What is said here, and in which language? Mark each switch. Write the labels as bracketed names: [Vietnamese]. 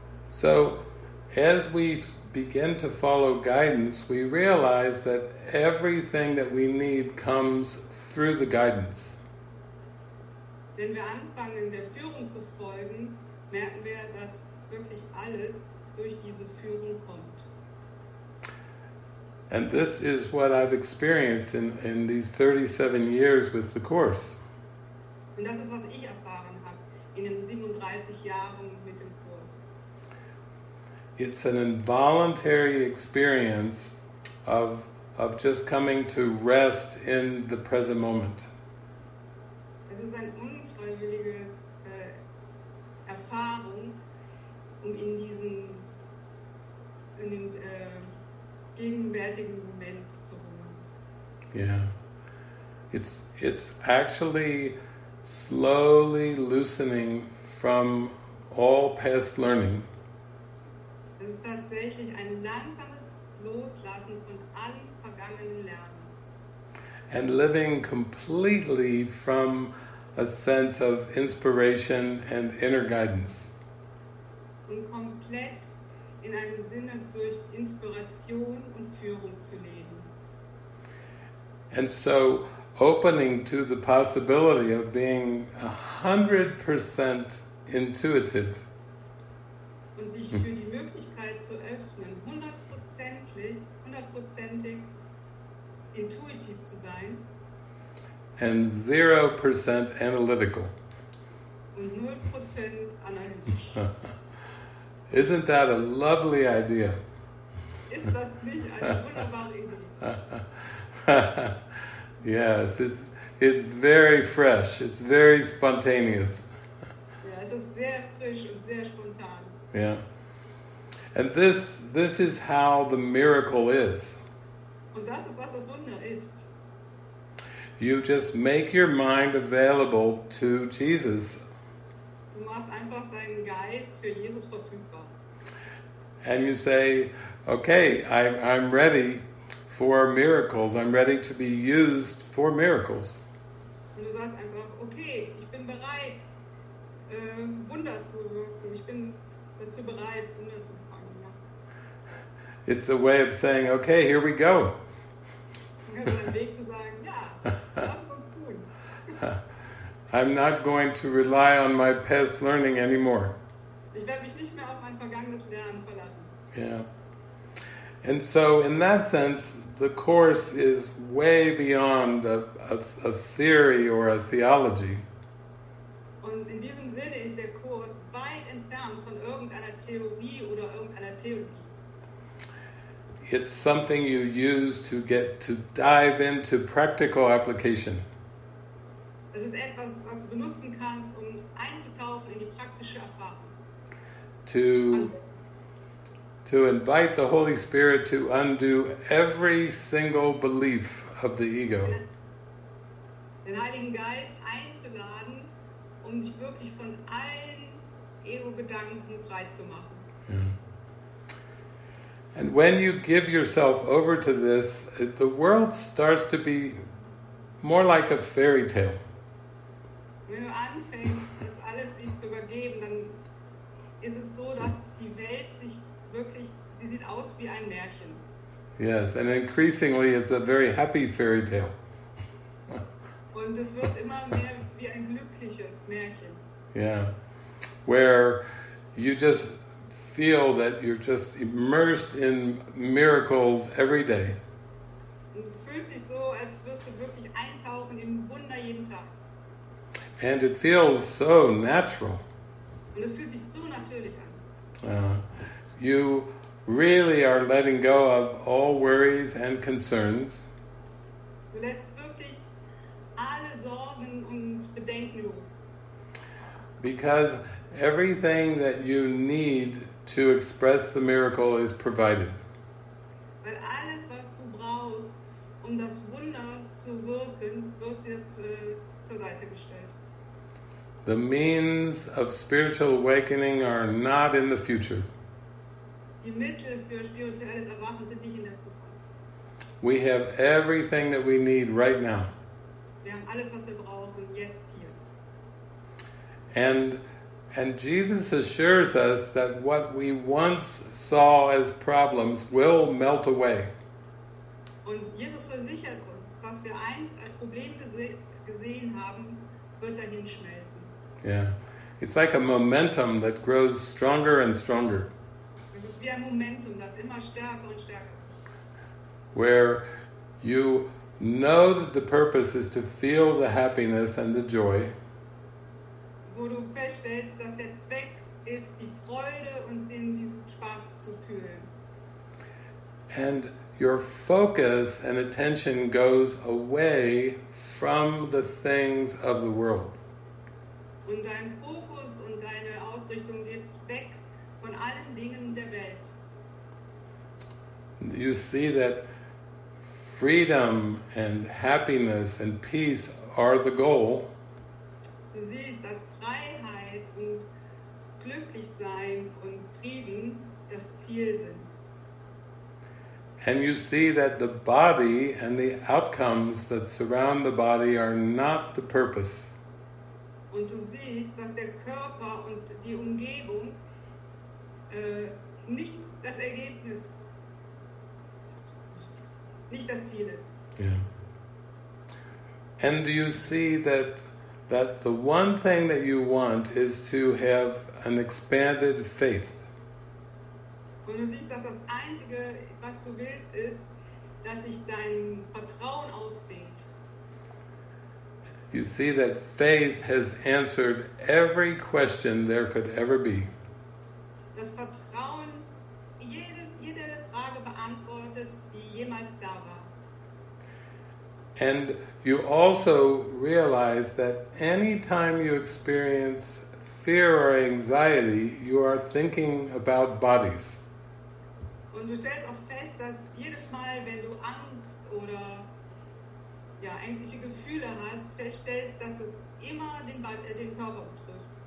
[English] So, as we begin to follow guidance, we realize that everything that we need comes through the guidance. [German] Wenn wir anfangen, der Führung zu folgen, merken wir, dass wirklich alles durch diese Führung kommt. [English] And this is what I've experienced in these 37 years with the Course. [German] Und das ist, was ich erfahren habe in den 37 Jahren mit dem Kurs. [English] It's an involuntary experience of just coming to rest in the present moment. [German] Es ist eine unfreiwillige Erfahrung, um in den gegenwärtigen Moment zu ruhen. [English] Yeah. It's actually slowly loosening from all past learning. [German] Es ist tatsächlich ein langsames Loslassen von allen vergangenen Lernen. [English] And living completely from a sense of inspiration and inner guidance. [German] Und komplett in einem Sinne durch Inspiration und Führung zu leben. [English] And so opening to the possibility of being 100% intuitive. [German] Und sich für die Möglichkeit zu öffnen, hundertprozentig intuitiv zu sein. [English] And 0% analytical. [German] Und 0% analytisch. [English] Isn't that a lovely idea? [German] Ist das nicht eine wunderbare Idee? [English] Yes, it's very fresh. It's very spontaneous. [German] Ja, es ist sehr frisch und sehr spontan. [English] Yeah. And this is how the miracle is. [German] Und das ist, was das Wunder ist. [English] You just make your mind available to Jesus. [German] Du machst einfach deinen Geist für Jesus verfügbar. [English] And you say, okay, I'm ready for miracles. I'm ready to be used for miracles. [German] Und du sagst einfach, okay, ich bin bereit, Wunder zu wirken. Ich bin dazu bereit, Wunder zu empfangen. Ja. [English] It's a way of saying, okay, here we go. [German] Du kannst einen Weg zu sagen, ja, lass uns tun. [English] I'm not going to rely on my past learning anymore. [German] Ich werde mich nicht mehr auf mein vergangenes Lernen verlassen. [English] Yeah. And so, in that sense, the Course is way beyond a theory or a theology. [German] Und in diesem Sinne ist der Kurs weit entfernt von irgendeiner Theorie oder irgendeiner Theologie. [English] It's something you use to get to dive into practical application. [German] Es ist etwas, was du benutzen kannst, um einzutauchen in die praktische Erfahrung. [English] To invite the Holy Spirit to undo every single belief of the ego. [German] Den Heiligen Geist einzuladen, um dich wirklich von allen Ego-Gedanken frei zu machen. [English] Yeah. And when you give yourself over to this, the world starts to be more like a fairy tale. [German] Wenn du anfängst, das alles dich zu übergeben, dann ist es so, dass die Welt sich wirklich, sie sieht aus wie ein Märchen. [English] Yes, and increasingly it's a very happy fairy tale. [German] Und es wird immer mehr wie ein glückliches Märchen. [English] Yeah, where you just feel that you're just immersed in miracles every day. [German] Und fühlt sich so, als würdest du wirklich eintauchen in Wunder jeden Tag. [English] And it feels so natural. [German] Und es fühlt sich so natürlich an. [English] You really are letting go of all worries and concerns. [German] Du lässt wirklich alle Sorgen und Bedenken los. [English] Because everything that you need to express the miracle is provided. [German] Weil alles, was du brauchst, um das Wunder zu wirken, wird dir zur Seite gestellt. [English] The means of spiritual awakening are not in the future. [German] Die Mittel für spirituelles Erwachen sind nicht in der Zukunft. [English] We have everything that we need right now. [German] Wir haben alles, was wir brauchen, jetzt hier. [English] And Jesus assures us that what we once saw as problems will melt away. [German] Und Jesus versichert uns, was wir einst als Problem gesehen haben, wird dahin schmelzen. [English] Yeah. It's like a momentum that grows stronger and stronger. [German] Wie ein Momentum, das immer stärker und stärker. [English] Where you know that the purpose is to feel the happiness and the joy. [German] Wo du feststellst, dass der Zweck ist, die Freude und diesen Spaß zu fühlen. [English] And your focus and attention goes away from the things of the world. [German] Und dein Fokus und deine Ausrichtung geht weg von allen Dingen der Welt. [English] You see that freedom and happiness and peace are the goal. [German] Du siehst, dass Freiheit und Glücklichsein und Frieden das Ziel sind. [English] And you see that the body and the outcomes that surround the body are not the purpose. [German] Und du siehst, dass der Körper und die Umgebung nicht das Ziel ist. [English] Yeah. And do you see that the one thing that you want is to have an expanded faith? [German] Und du siehst, dass das Einzige, was du willst, ist, dass sich dein Vertrauen ausdehnt. [English] You see that faith has answered every question there could ever be. [German] Das Vertrauen jede Frage beantwortet, die jemals da war. [English] And you also realize that any time you experience fear or anxiety, you are thinking about bodies. [German] Und du stellst auch fest, dass jedes Mal, wenn du Angst oder ja, ängstliche Gefühle hast, feststellst, dass es immer den Körper betrifft.